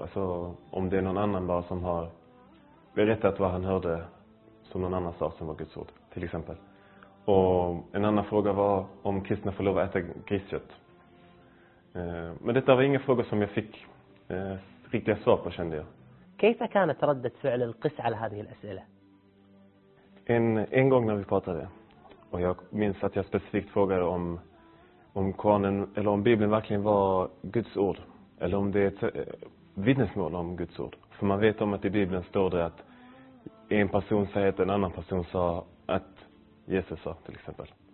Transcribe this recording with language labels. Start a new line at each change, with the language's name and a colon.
Swedish: Alltså om det är någon annan bara som har berättat vad han hörde som någon annan sa som var Guds ord, till exempel. Och en annan fråga var om kristna får lov att äta griskött. Men detta var inga frågor som jag fick riktiga svar på, kände jag.
Arabic: كيف كانت ردة فعل القس على هذه الأسئلة؟
Swedish: En gång när vi pratade och jag minns att jag specifikt frågade om Koranen eller om Bibeln verkligen var Guds ord. eller om det är ett vittnesmål om Guds ord. För man vet om att i Bibeln står det att en person säger att en annan person sa att Jesus sa, till exempel.